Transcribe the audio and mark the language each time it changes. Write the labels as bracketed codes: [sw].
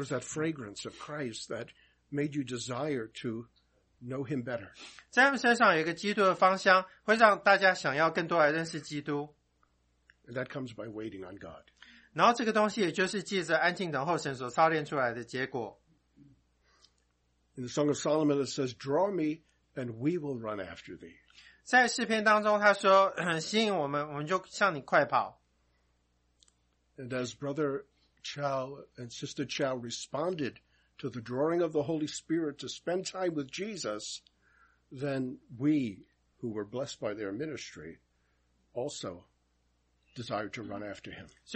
[en] was that fragrance of Christ that made you desire to know him better. [zh] 在他们身上有一个基督的芳香，会让大家想要更多来认识基督。 [en] That comes by waiting on God. [zh] 然后这个东西也就是借着安静等候神所操练出来的结果。 [en] In the Song of Solomon, it says, draw me, and we will run after thee. [zh] 在诗篇当中，他说，吸引我们，我们就向你快跑。 [en] And as Brother Chow and Sister Chow responded to the drawing of the Holy Spirit to spend time with Jesus, then we, who were blessed by their ministry, also desire to run after him.